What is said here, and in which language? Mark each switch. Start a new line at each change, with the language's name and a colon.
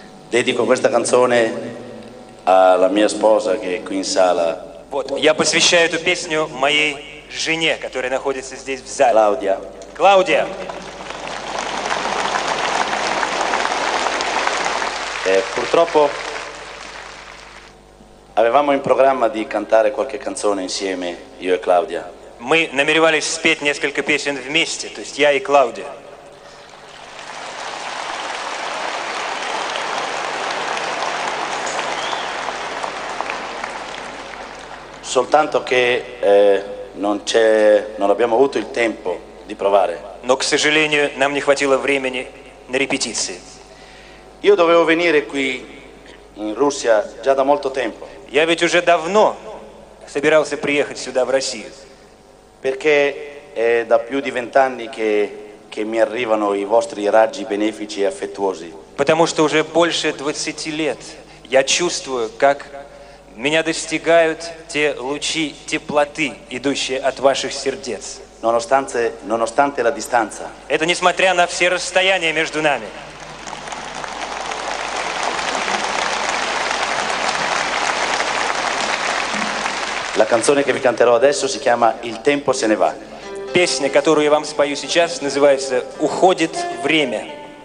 Italian: Dedico questa canzone alla mia sposa che è qui in sala.
Russian: Вот, я посвящаю эту песню моей жене, которая находится здесь в зале. Клаудия. Клаудия.
Italian: Purtroppo avevamo in programma di cantare qualche canzone insieme io e Claudia.
Russian: Мы намеревались спеть несколько песен вместе, то есть я и Клаудия.
Italian: Soltanto che non abbiamo avuto il tempo di provare.
Russian: Но, к сожалению, нам не хватило времени на репетиции.
Italian: Io dovevo venire qui in Russia già da molto tempo.
Russian: Я ведь уже давно собирался приехать сюда в Россию.
Italian: Perché è da più di 20 anni che mi arrivano i vostri raggi benefici e affettuosi.
Russian: Потому что уже больше 20 лет я чувствую, как меня достигают те лучи теплоты, идущие от ваших сердец.
Italian: Nonostante la distanza.
Russian: Это несмотря на все расстояния между нами.
Italian: La canzone che vi canterò adesso si chiama Il tempo se ne va.
Russian: Песня, которую я вам спою сейчас, называется Уходит время.